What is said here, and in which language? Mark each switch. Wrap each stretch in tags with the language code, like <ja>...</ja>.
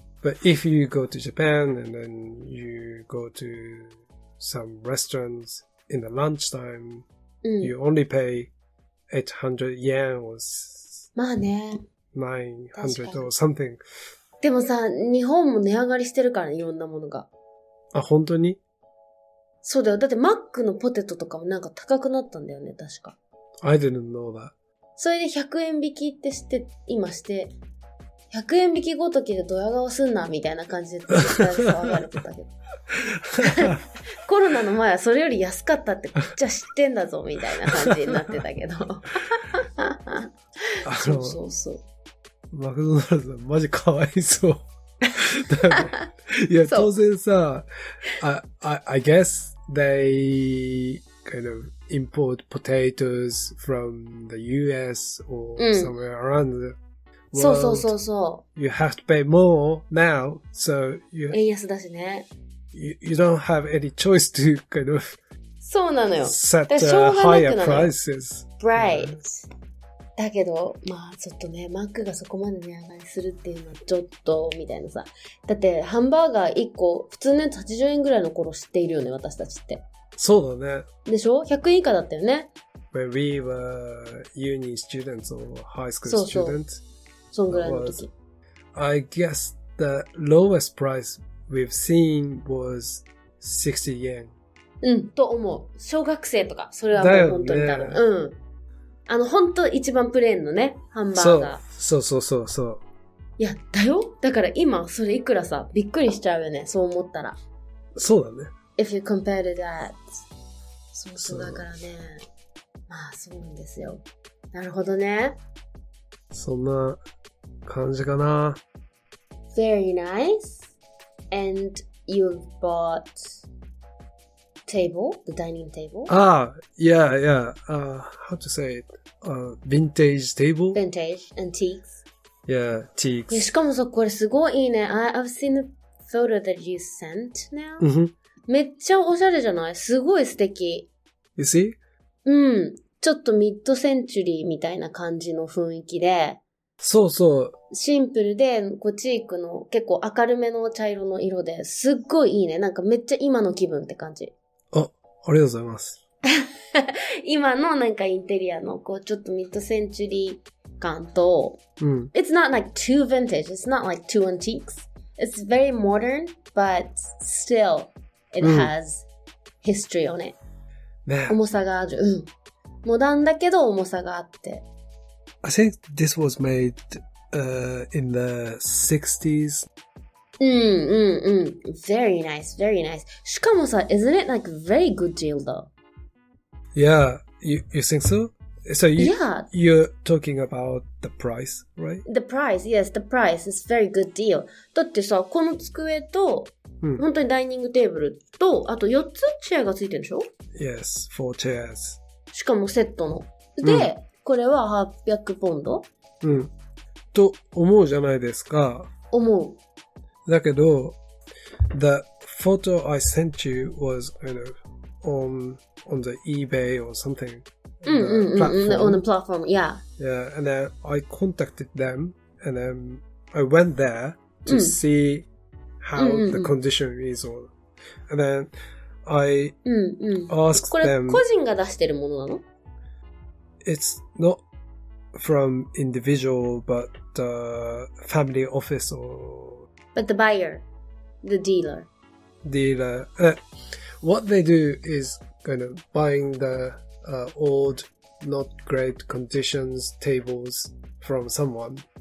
<en>But if you go to Japan and then you go to some restaurants in the lunchtime, you only pay 800 yen or</en> <ja>まあね。</ja> <en>900 or something。</en> <ja>でもさ、日本も値上がりしてるからね、いろんなものが。あ、本当に？そうだよ。だってマックのポテトとかもなんか高くなったんだよね、確か。</ja> <en>I didn't know that。</en> <ja>それで100円引きってして、今して、100円引きごときでドヤ顔すんな、みたいな感じで、騒がれてたけど。コロナの前はそれより安かったってこっちは知ってんだぞ、みたいな感じになってたけど。そうそうそう。マクドナルドさん、マジかわいそう。だいや、当然さ、</ja> <en>I guess they kind of import potatoes from the US or somewhere around the world.</en> <ja>そうそうそうそう。</ja> <en>You have to pay more now, so you,</en> <ja>円安だしね。</ja> <en>You don't have any choice to kind of</en> <ja>そうなのよ。</ja> <en>set higher prices. Right.、Yeah.</en> <ja>だけど、まあ、ちょっとね、マックがそこまで値上がりするっていうのはちょっと、みたいなさ。だって、ハンバーガー1個、普通のやつ80円ぐらいの頃知っているよね、私たちって。そうだね。でしょ ?100 円以下だったよね。</ja> <en>When we were uni students or high school students.</en> <ja>そんぐらいの時。</ja> <en>I guess the lowest price we've seen was 60 yen.</en> <ja>うん、と思う。小学生とか、それはもう本当に多分。だよね。うん。あの、ほんと一番プレーンのね、ハンバーガー。そうそうそうそう、そう。いや、だよ。だから今、それいくらさ、びっくりしちゃうよね、そう思ったら。そうだね。</ja> <en>If you compare to that.</en> <ja>そうそう、だからね。まあ、そうなんですよ。なるほどね。そんな感じかな。</ja> <en>Very nice. And you've bought table, the dining table. Ah, yeah, yeah. How to say it? Vintage table? Vintage, antiques. Yeah, antiques.</en> <ja>しかもさ、これすごいいいね。</ja> <en>I've seen the photo that you sent now.、 Mm-hmm.</en> <ja>めっちゃおしゃれじゃない？すごい素敵。 You see? うん。ちょっとミッドセンチュリーみたいな感じの雰囲気で。そうそう。シンプルで、こうチークの結構明るめの茶色の色で、すっごいいいね。なんかめっちゃ今の気分って感じ。あ、ありがとうございます。今のなんかインテリアの、こうちょっとミッドセンチュリー感と、うん。</ja> <en>It's not like too vintage, it's not like too antiques. It's very modern, but still, it has history on it.、</en> <ja>ね、重さがある。うん。モダンだけど重さがあって。</ja> <en>I think this was made in the 60s. Very nice, very nice.</en> <ja>しかもさ、</ja> <en>isn't it like very good deal though? Yeah, you think so? So you're talking about the price, right? The price, yes, the price is very good deal.</en> <ja>だってさ、この机と、本当にダイニングテーブルと、あと4つチェアがついてるでしょ?</ja> <en>Yes, 4 chairs.</en> <ja>しかもセットの。で、これは800ポンド? うん。と思うじゃないですか。思う。だけど、</ja> <en>the photo I sent you was kind of on the eBay or something. On the platform, yeah. Yeah, and then I contacted them and then I went there to see how the condition is or. And then I asked them.</en> <ja>これ個人が出してるものなの?</ja> <en>It's not from individual, but family office or... But the buyer, the dealer. Dealer. What they do is kind of buying the old, not great conditions tables from someone.</en>